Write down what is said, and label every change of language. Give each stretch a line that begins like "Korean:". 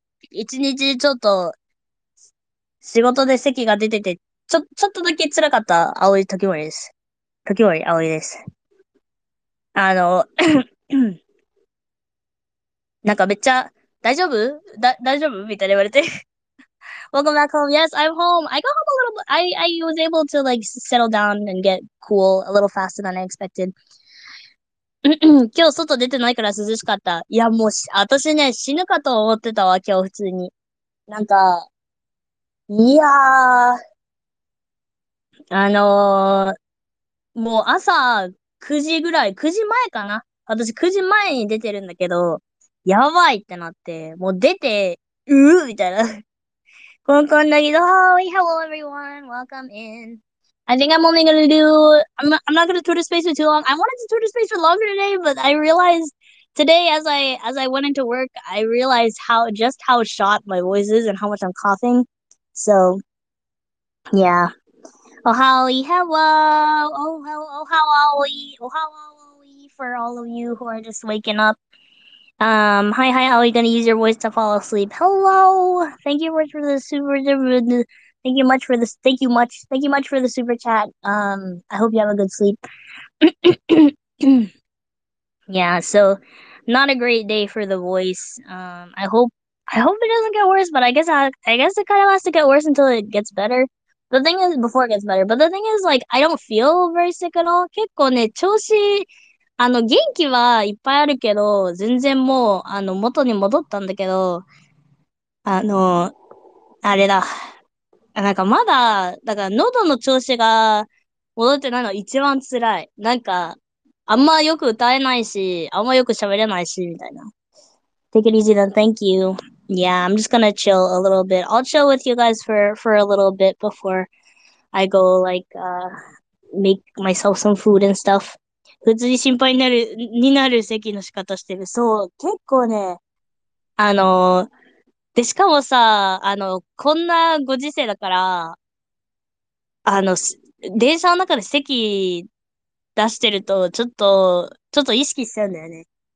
Japanese: 一日ちょっと仕事で席が出てて、ちょっとだけ辛かった葵時森です。時森葵です。なんかめっちゃ、大丈夫？大丈夫？みたいに言われて。
English: Welcome back home. Yes, I'm home. I got home a little bit. I was able to like settle down and get cool a little faster than I expected.
Japanese: 今日外出てないから涼しかった。いや、もう私ね、死ぬかと思ってたわ、今日普通に。なんか、いやー。もう朝9時ぐらい、9時前かな？私9時前に出てるんだけど、やばいってなって、もう出て、うーみたいな。コンコンだけど、
English: Hi, hello everyone, welcome in. I think I'm only gonna do, I'm not gonna Twitter space for too long. I wanted to Twitter space for longer today, but I realized today as I went into work, I realized just how shot my voice is and how much I'm coughing. So, yeah. Oh, howie, hello. Oh, howie for all of you who are just waking up. Hi, how are you gonna use your voice to fall asleep? Hello! Thank you much for the super, thank you much for this, thank you much, thank you much for the super chat. I hope you have a good sleep. Yeah, so, not a great day for the voice. I hope it doesn't get worse, but I guess it kind of has to get worse until it gets better. The thing is, before it gets better, but the thing is, like, I don't feel very sick at all.
Japanese: 結構ね、調子、元気はいっぱいあるけど、全然もう、元に戻ったんだけど、あれだ。なんかまだ、だから喉の調子が戻ってないのが一番辛い。なんか、あんまよく歌えないし、あんまよく喋れないし、みたいな。
English: Take it easy then, thank you. Yeah, I'm just gonna chill a little bit. I'll chill with you guys for a little bit before I go, like, make myself some food and stuff.
Japanese: 普通に心配になる席の仕方してる。そう、結構ね。で、しかもさ、こんなご時世だから、電車の中で席出してると、ちょっと意識しちゃうんだよね。